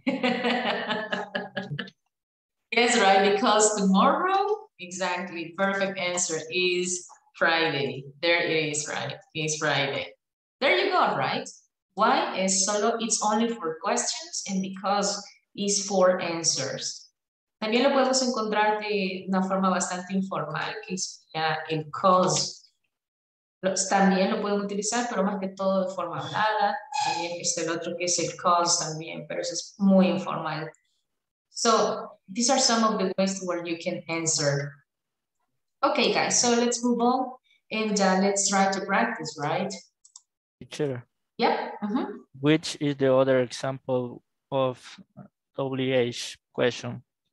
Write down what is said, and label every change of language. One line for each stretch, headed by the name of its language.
English: Yes, right, because tomorrow, exactly, perfect answer, is Friday. There it is, right, it's Friday. There you go, right? Why is solo, it's only for questions, and because is for answers.
Spanish: También lo podemos encontrar de una forma bastante informal, que es el cause. También lo pueden utilizar, pero más que todo de forma hablada. También está el otro que es el cause también, pero eso es muy informal.
English: So, these are some of the ways where you can answer. Okay, guys, so let's move on and let's try to practice, right? Sure. Yeah. Which is the other example of WH question?